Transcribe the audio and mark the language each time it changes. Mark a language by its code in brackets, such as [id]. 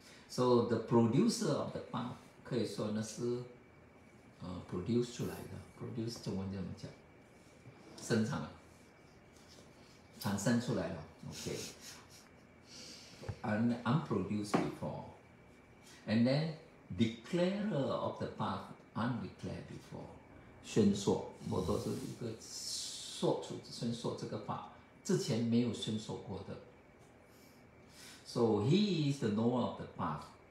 [en] So the producer of the path, [zh] 可以说呢是, produce出来的, produce 中文这么讲, 生产, 产生出来了, okay. [en] Unproduced before, and then declarer of the path undeclared before. [zh] 宣说佛陀是一个说出宣说这个法之前没有宣说过的. [en] So he is the knower of the path.